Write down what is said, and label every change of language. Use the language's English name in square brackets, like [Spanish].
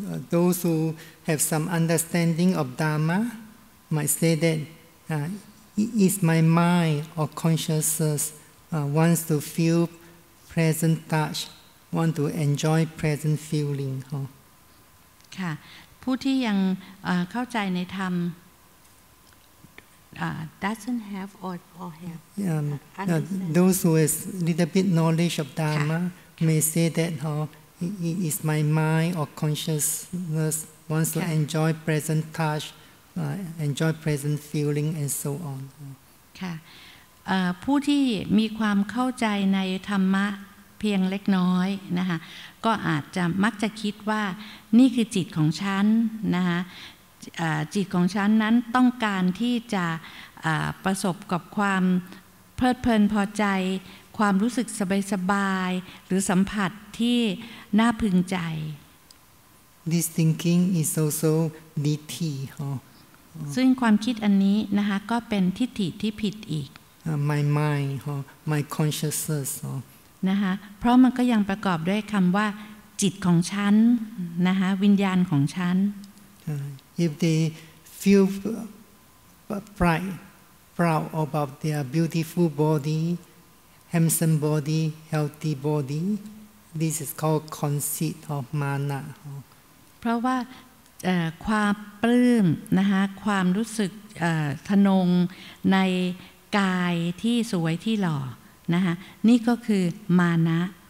[English] Those who have some understanding of Dharma might say that is my mind or consciousness wants to feelpresent touch want to enjoy present feeling ค huh? [Thai] ะผู้ที่ยังเข้าใจในธรรม [English] doesn't have or have those who has little bit knowledge of dharma may say that it is my mind or consciousness wants to enjoy present touch enjoy present feeling and so on [Thai] ค่ะผู้ที่มีความเข้าใจในธรรมะเพียงเล็กน้อยนะคะก็อาจจะมักจะคิดว่านี่คือจิตของฉันนะคะจิตของฉันนั้นต้องการที่จะประสบกับความเพลิดเพลินพอใจความรู้สึกสบายๆหรือสัมผัสที่น่าพึงใจ [English] This thinking is also ditthi huh? [Thai] ซึ่งความคิดอันนี้นะคะก็เป็นทิฏฐิที่ผิดอีก [English] my mind huh? my consciousness [Thai] นะคะเพราะมันก็ยังประกอบด้วยคำว่าจิตของฉันนะคะวิญญาณของฉัน [English] if they feel pride proud about their beautiful body handsome body healthy body this is called conceit of mana [Thai] เพราะว่าความปลื้มนะคะความรู้สึกทนงในกายที่สวยที่หล่อนะคะนี่ก็คือมานะ